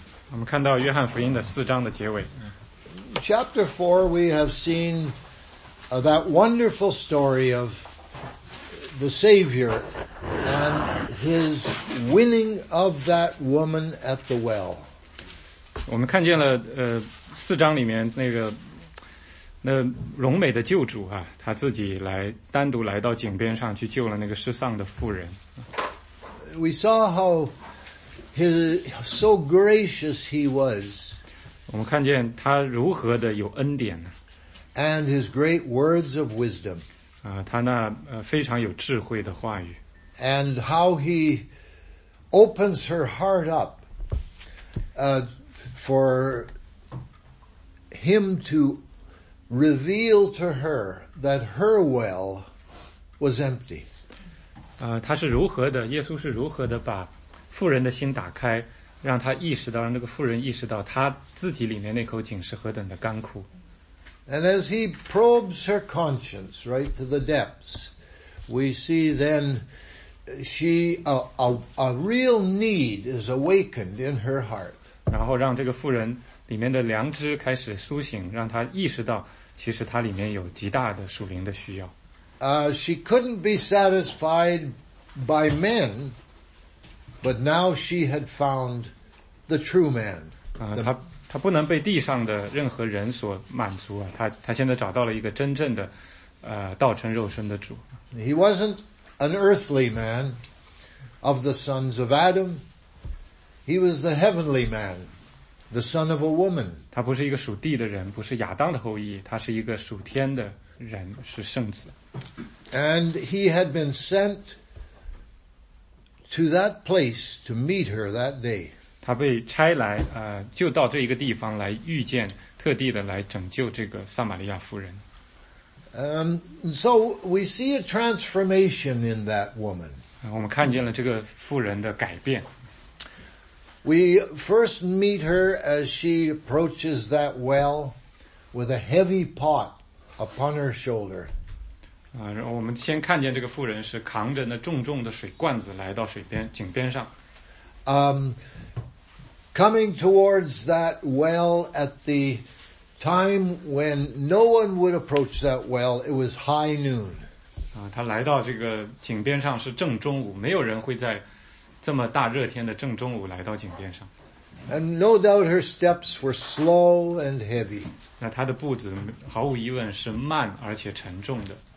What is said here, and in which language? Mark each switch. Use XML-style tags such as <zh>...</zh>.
<zh>我们看到约翰福音的四章的结尾。</zh> <en>Chapter 4, we have seen that wonderful story of the Savior and his winning of that woman at the well.</en> <zh>我们看见了四章里面那荣美的救主啊，他自己来单独来到井边上去救了那个失丧的妇人。</zh> <en>We saw how so gracious he was.</en> <zh>我们看见他如何的有恩典呢</zh> <en>？And his great words of wisdom.</en> <zh>他那非常有智慧的话语。</zh> <en>And how he opens her heart up, for him to reveal to her that her well was empty.</en> <zh>他是如何的？耶稣是如何的把妇人的心打开，让他意识到，让这个妇人意识到他自己里面那口井是何等的干枯。</zh> <en>And as he probes her conscience right to the depths, we see then she a real need is awakened in her heart.</en> <zh>然后让这个妇人里面的良知开始苏醒，让她意识到其实她里面有极大的属灵的需要。</zh> <en>She couldn't be satisfied by men, but now she had found the true man.</en> <zh>她不能被地上的任何人所满足啊，她现在找到了一个真正的道成肉身的主。</zh> <en>He wasn't an earthly man of the sons of Adam. He was the heavenly man, the son of a woman.</en> <zh>她不是一个属地的人，不是亚当的后裔，她是一个属天的人，是圣子。</zh> <en>And he had been sent to that place to meet her that day.</en> <zh>他被差来，就到这一个地方来遇见，特地的来拯救这个撒玛利亚妇人。</zh> <en>So we see a transformation in that woman.</en> <zh>我们看见了这个妇人的改变。</zh> <en>We first meet her as she approaches that well with a heavy pot upon her shoulder.</en> <zh>然后我们先看见这个妇人是扛着那重重的水罐子来到水边井边上。</zh> <en>Coming towards that well at the time when no one would approach that well, it was high noon.</en> <zh>她来到这个井边上是正中午，没有人会在这么大热天的正中午来到井边上。</zh> <en>And no doubt her steps were slow and heavy.</en> <zh>那她的步子毫无疑问是慢而且沉重的。</zh>